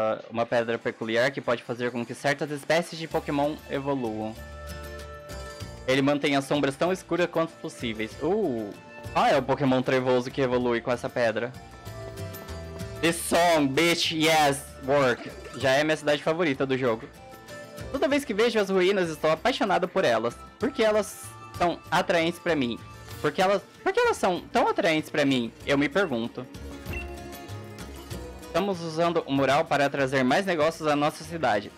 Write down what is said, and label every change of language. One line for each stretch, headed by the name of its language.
Portuguese: Uma pedra peculiar que pode fazer com que certas espécies de Pokémon evoluam. Ele mantém as sombras tão escuras quanto possíveis. Ah, é o Pokémon trevoso que evolui com essa pedra.
English: This song, bitch, yes, work.
Portuguese: Já é minha cidade favorita do jogo. Toda vez que vejo as ruínas, estou apaixonado por elas. Porque elas são atraentes pra mim? Porque elas são tão atraentes pra mim? Eu me pergunto. Estamos usando o mural para trazer mais negócios à nossa cidade.